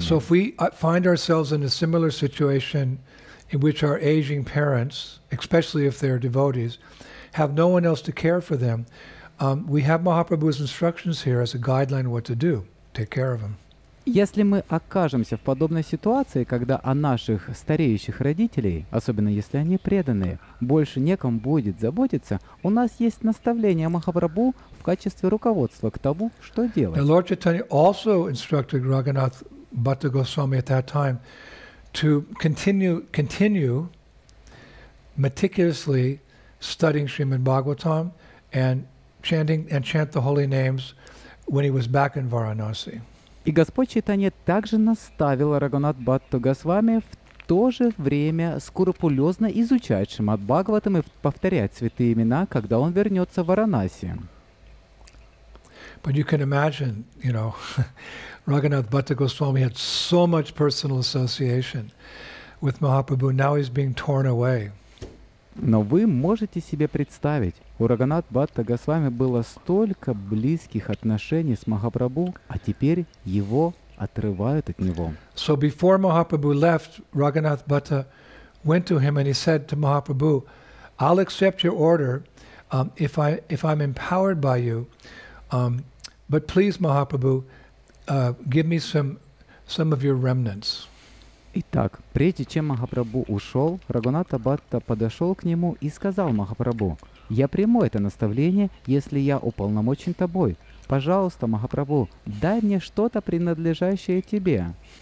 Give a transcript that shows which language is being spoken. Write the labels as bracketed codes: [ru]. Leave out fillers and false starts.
[en] So if we find ourselves in a similar situation in which our aging parents, especially if they're devotees, have no one else to care for them, we have Mahaprabhu's instructions here as a guideline of what to do. Take care of them. [ru] Если мы окажемся в подобной ситуации, когда о наших стареющих родителей, особенно если они преданные, больше некому будет заботиться, у нас есть наставление Махапрабху в качестве руководства к тому, что делать. [en] Lord Chaitanya also instructed Raghunath Bhatta Goswami at that time to continue meticulously studying Srimad Bhagavatam and chant the holy names when he was back in Varanasi. [ru] И Господь Чайтанья также наставил Рагунат Бхатта Госвами в то же время скрупулезно изучать Шримад Бхагаватам и повторять святые имена, когда он вернется в Варанаси. [en] But you can imagine, you know, Рагунат Бхатта Госвами had so much personal association with Mahaprabhu, now he's being torn away. [ru] Но вы можете себе представить, у Рагунат Бхатта Госвами было столько близких отношений с Махапрабху, а теперь его отрывают от него. [en] So before Mahaprabhu left, Raghunath Bhatta went to him and he said to Mahaprabhu, I'll accept your order if I'm empowered by you. But please, Mahaprabhu, give me some of your remnants. [ru] Итак, прежде чем Махапрабху ушел, Рагуната Бхатта подошел к нему и сказал Махапрабху, «Я приму это наставление, если я уполномочен тобой. Пожалуйста, Махапрабху, дай мне что-то, принадлежащее тебе».